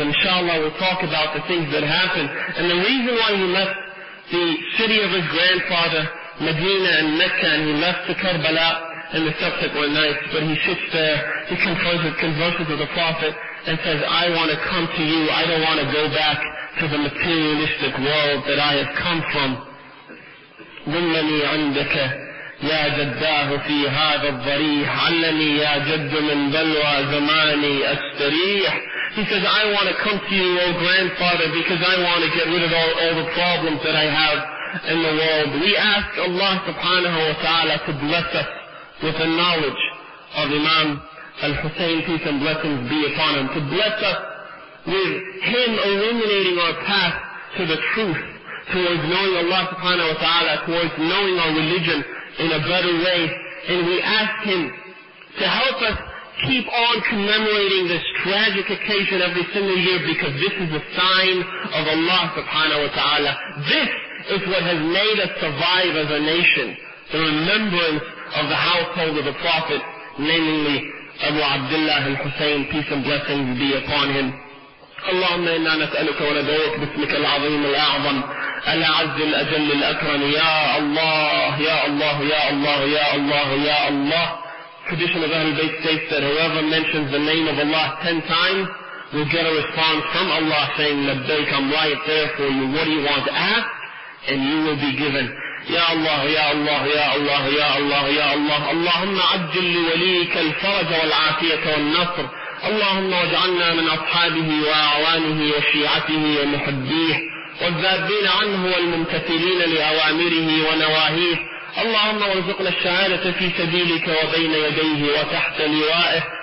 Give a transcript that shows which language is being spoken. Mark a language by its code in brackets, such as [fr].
[en] Inshallah, we'll talk about the things that happened. And the reason why he left the city of his grandfather, Medina and Mecca, and he left the Karbala in the subsequent nights, but he sits there, he converses with the Prophet, and says, "I want to come to you. I don't want to go back to the materialistic world that I have come from." [ar] ظلني عندك يا جداه في هذا الضريح علني يا جد من بلوى زماني أستريح. [en] He says, "I want to come to you, O grandfather, because I want to get rid of all the problems that I have in the world." We ask Allah subhanahu wa ta'ala to bless us with the knowledge of Imam al-Hussein, peace and blessings be upon him, to bless us with him illuminating our path to the truth, towards knowing Allah subhanahu wa ta'ala, towards knowing our religion in a better way. And we ask him to help us keep on commemorating this tragic occasion every single year, because this is a sign of Allah subhanahu wa ta'ala. This is what has made us survive as a nation. The remembrance of the household of the Prophet, namely Abu Abdullah al-Hussein, peace and blessings be upon him. [ar] اللهم إنا نسألك وندعوك باسمك العظيم الأعظم الأعز الأجل الأكرم يا الله يا الله يا الله يا الله يا الله. [en] Tradition of Ahlul Bayt states that whoever mentions the name of Allah 10 times will get a response from Allah saying, "Labbaik, I'm right there for you. What do you want? Ask and you will be given." [ar] يا الله يا الله يا الله يا الله يا الله. اللهم عجل لوليك الفرج والعافية والنصر. اللهم اجعلنا من أصحابه وأعوانه وشيعته ومحبيه والذابين عنه والممتثلين لأوامره ونواهيه. اللهم وارزقنا الشهادة في سبيلك وبين يديه وتحت لوائه.